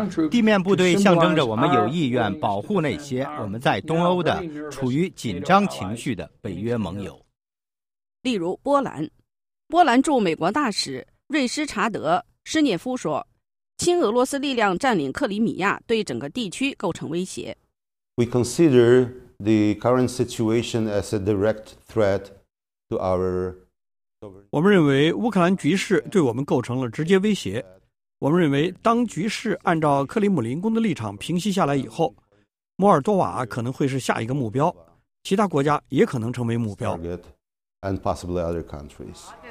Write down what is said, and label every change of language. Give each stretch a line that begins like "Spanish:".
Chinese: 地面部队象征着我们有意愿保护那些我们在东欧的处于紧张情绪的北约盟友。例如波兰，波兰驻美国大使瑞施查德·施涅夫说，亲俄罗斯力量占领克里米亚对整个地区构成威胁。
English: We consider the current situation as a direct threat to our.
Chinese: 我们认为乌克兰局势对我们构成了直接威胁。我们认为，当局势按照克里姆林宫的立场平息下来以后，摩尔多瓦可能会是下一个目标，其他国家也可能成为目标。
English: And possibly other countries.